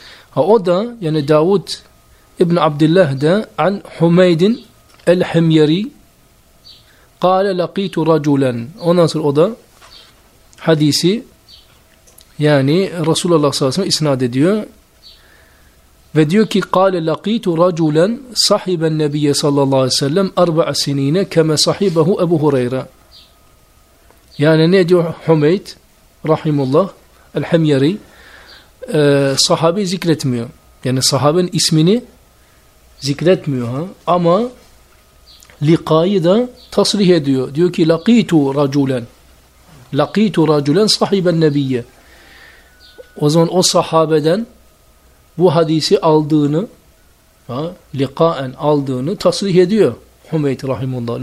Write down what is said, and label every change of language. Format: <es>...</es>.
<tr>Ha, o da yani Davud İbn Abdullah'da an Humeydin el-Himyari</tr> <ar>kâle lakîtu raculen.</ar> <tr>Ondan sonra o da hadisi yani Resulullah sallallahu aleyhi ve sellem isnat ediyor. Ve diyor ki</tr> <ar>قَالَ لَقِيْتُ رَجُولًا صَحِبَ النَّبِيَّ صَلَّى اللّٰهِ عَلَيْهِ وَسَلَّمْ اَرْبَعَ سِن۪ينَ كَمَ صَحِبَهُ اَبُ هُرَيْرَ.</ar> <tr>Yani ne diyor Humeyd Rahimullah El-Himyari sahabeyi zikretmiyor. Yani sahabenin ismini zikretmiyor. Ha? Ama likayı da tasrih ediyor. Diyor ki</tr> <ar>لَقِيْتُ رَجُولًا صَحِبَ النَّبِيَّ.</ar> <tr>O zaman o sahabeden bu hadisi aldığını, likaen aldığını tasrih ediyor Humeyd Rahimullah.</tr>